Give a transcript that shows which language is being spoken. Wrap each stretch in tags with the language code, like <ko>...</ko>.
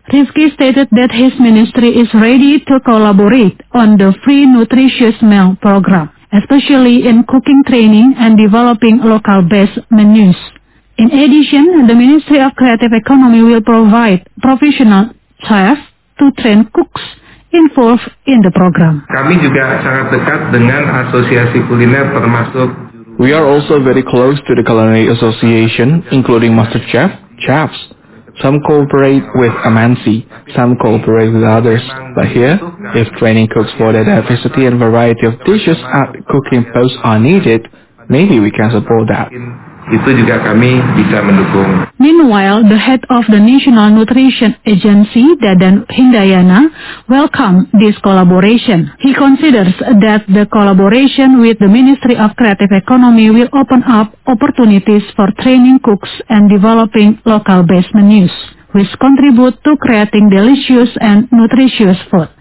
<en>Rifki stated that his ministry is ready to collaborate on the free nutritious meal program, especially in cooking training and developing local-based menus. In addition, the Ministry of Creative Economy will provide professional chefs to train cooks involved in the program.</en> <id>Kami juga sangat dekat dengan asosiasi kuliner termasuk.</id> <en>We are also very close to the Culinary Association, including MasterChef, chefs. Some cooperate with MNC, some cooperate with others. But here, if training cooks for the diversity and variety of dishes at cooking posts are needed, maybe we can support that.</en> <id>Itu juga kami bisa mendukung.</id> <en>Meanwhile, the head of the National Nutrition Agency, Dadan Hindayana, welcomed this collaboration. He considers that the collaboration with the Ministry of Creative Economy will open up opportunities for training cooks and developing local-based menus, which contribute to creating delicious and nutritious food.</en>